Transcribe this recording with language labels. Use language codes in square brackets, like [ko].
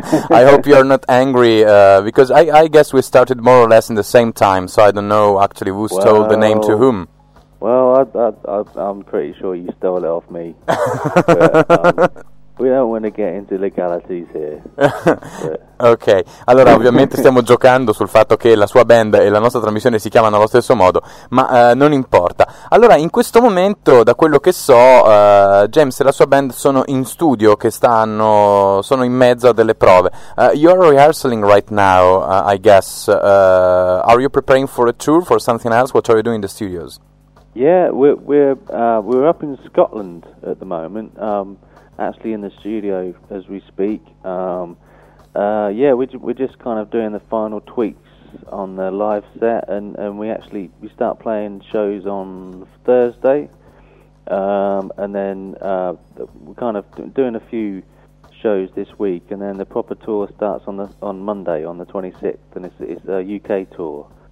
[en] I hope you are not angry, because I guess we started more or less in the same time, so I don't know actually who stole the name to whom. Well, I'm pretty sure you stole it off me. We don't want to get into legalities here. [it] Ok, allora ovviamente stiamo giocando sul fatto che la sua band e la nostra trasmissione si chiamano allo stesso modo, ma non importa. Allora, in questo momento, da quello che so, James e la sua band sono in studio, che stanno, sono in mezzo a delle prove. [en] You're rehearsing right now, I guess. Are you preparing for a tour, for something else? What are you doing in the studios? Yeah, we're up in Scotland at the moment. Actually in the studio as we speak. We're just kind of doing the final tweaks on the live set, and we start playing shows on Thursday, and then we're kind of doing a few shows this week, and then the proper tour starts on Monday on the 26th, and it's a UK tour.